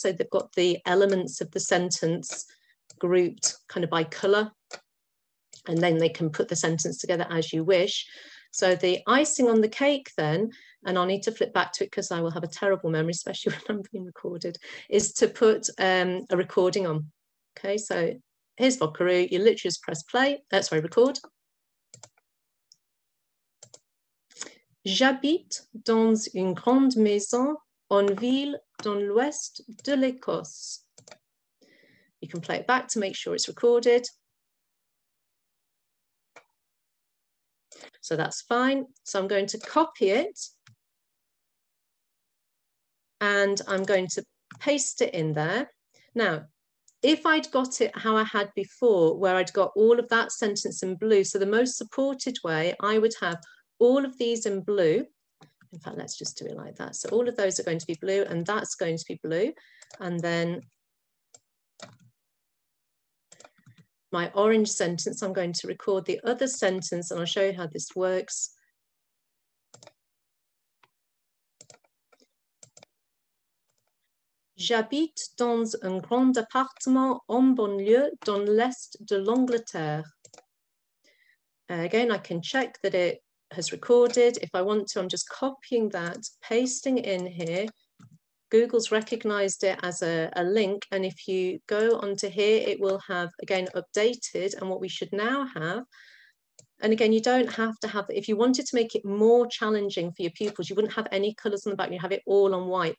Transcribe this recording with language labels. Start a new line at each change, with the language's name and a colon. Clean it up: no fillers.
English: So they've got the elements of the sentence grouped kind of by color, and then they can put the sentence together as you wish. So the icing on the cake then, and I'll need to flip back to it because I will have a terrible memory, especially when I'm being recorded, is to put a recording on. Okay, so here's Vocaroo. You literally just press play, record.
French: J'habite dans une grande maison en ville dans l'ouest de l'Écosse.
English: You can play it back to make sure it's recorded. So that's fine. So I'm going to copy it and I'm going to paste it in there. Now, if I'd got it how I had before, where I'd got all of that sentence in blue, so the most supported way, I would have all of these in blue. In fact, let's just do it like that. So all of those are going to be blue, and that's going to be blue. And then my orange sentence, I'm going to record the other sentence, and I'll show you how this works.
French: J'habite dans un grand appartement en banlieue dans l'est de l'Angleterre.
English: Again, I can check that it has recorded. If I want to, I'm just copying that, pasting it in here. Google's recognized it as a link. And if you go onto here, it will have again updated. And what we should now have, and again, you don't have to have, if you wanted to make it more challenging for your pupils, you wouldn't have any colors on the back, you have it all on white.